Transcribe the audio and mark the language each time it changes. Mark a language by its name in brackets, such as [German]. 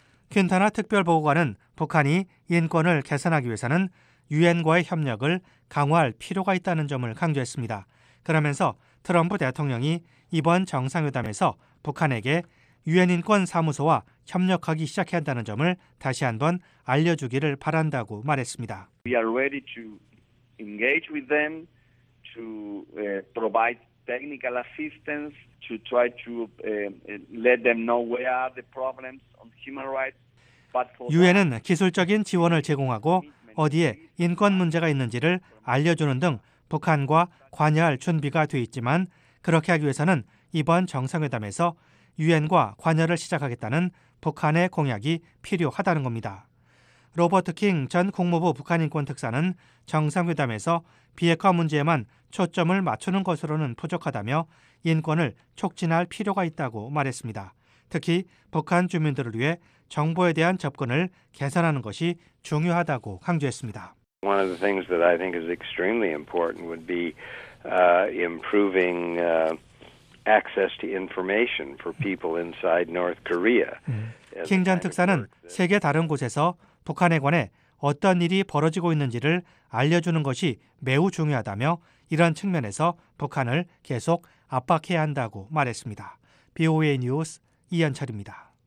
[Korean] 퀸타나 특별보고관은 북한이 인권을 개선하기 위해서는 유엔과의 협력을 강화할 필요가 있다는 점을 강조했습니다. 그러면서 트럼프 대통령이 이번 정상회담에서 북한에게 유엔인권사무소와 협력하기 시작해야 한다는 점을 다시 한번 알려주기를 바란다고 말했습니다. [English] We are ready to engage with them to provide technical assistance to try to let them know where are the problems on human rights. [Korean] 유엔은 기술적인 지원을 제공하고 어디에 인권 문제가 있는지를 알려주는 등 북한과 관여할 준비가 돼 있지만 그렇게 하기 위해서는 이번 정상회담에서 유엔과 관여를 시작하겠다는 북한의 공약이 필요하다는 겁니다. 로버트 킹 전 국무부 북한인권특사는 정상회담에서 비핵화 문제에만 초점을 맞추는 것으로는 부족하다며 인권을 촉진할 필요가 있다고 말했습니다. 특히 북한 주민들을 위해 정보에 대한 접근을 개선하는 것이 중요하다고 강조했습니다. [English] One of the things that I think is extremely important would be improving access to information for people inside North Korea. [Korean] 킹 전 특사는 세계 다른 곳에서 북한에 관해 어떤 일이 벌어지고 있는지를 알려주는 것이 매우 중요하다며 이런 측면에서 북한을 계속 압박해야 한다고 말했습니다. BOA 뉴스 이현철입니다.